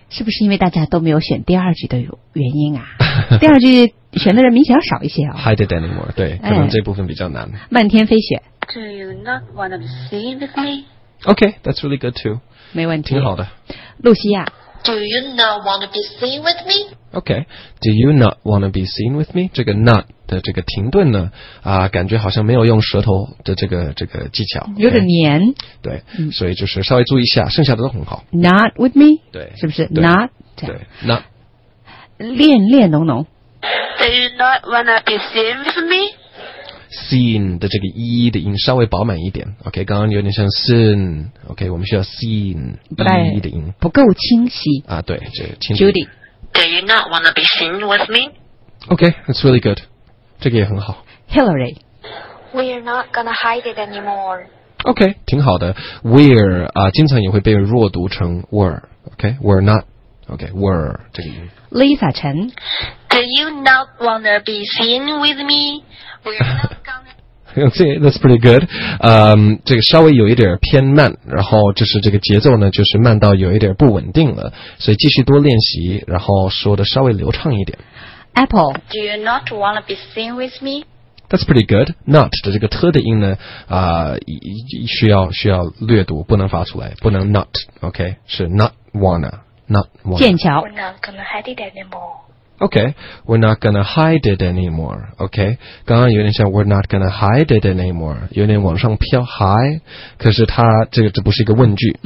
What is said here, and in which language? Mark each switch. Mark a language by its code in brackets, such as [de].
[zh] 是不是因为大家都没有选第二句的原因啊？第二句选的人明显要少一些啊、哦。 [en] Hide it anymore, [zh] 对、哎、可能这部分比较难。漫天飞雪。 [en] Do you not want to be seen with me? Okay, that's really good too. [zh] 没问题。挺好的。露西亚。 [en] Do you not want to be seen with me? Okay, do you not want to be seen with me? [zh] 这个 not 的这个停顿呢，啊，感觉好像没有用舌头的这个技巧，有点黏。对、嗯，所以就是稍微注意一下，剩下的都很好。 [en] Not with me? [zh] 对，是不是 not？对 ，not。恋浓浓。 [en] Do Do you not wanna be seen with me? [zh] Seen 的这个 e 的音稍微饱满一点。OK， 刚刚有点像 seen。 OK， 我们需要 seen e 的音不够清晰啊。对，这清楚。Judy， [en] Do you not wanna be seen with me? OK， that's really good。 [zh] 这个也很好。 [en] Hillary， We are not gonna hide it anymore。 OK， 挺好的。We're 啊，经常也会被弱读成 were。OK， we're not。 OK， were 这个音。 Lisa 陈，Do you not wanna be seen with me? We're not gonna. See, that's pretty good. [zh] 这个稍微有一点偏慢，然后就是这个节奏呢，就是慢到有一点不稳定了。所以继续多练习，然后说的稍微流畅一点。 [en] Apple， Do you not wanna be seen with me? That's pretty good. [zh] Not 的这个 t 的音呢，需要略读，不能发出来，不能 not. [en] OK， [zh] 是 [en] not wanna, not wanna. [zh] 剑桥。 [en] We're not gonna hide it anymore. OK, we're not gonna hide it anymore. OK， [zh] 刚刚有点像 [en] we're not gonna hide it anymore， [zh] 有点往上飘 [en] high， [zh] 可是它这不是一个问句。